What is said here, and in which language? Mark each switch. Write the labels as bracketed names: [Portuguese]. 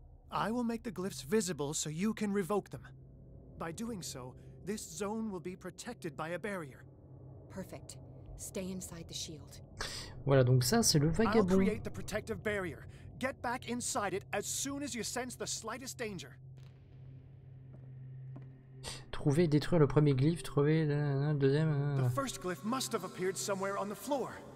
[English] I will make the glyphs visible so you can revoke them. By doing so, this zone will be protected by a barrier. Perfect. Stay inside the shield. [French] Voilà, donc ça, c'est le vagabond. [English] I'll create the protective barrier. Get back inside it as soon as you sense the slightest danger. [French] Trouver et détruire le premier glyphe, trouver le deuxième. [English] The first glyph must have appeared somewhere on the floor.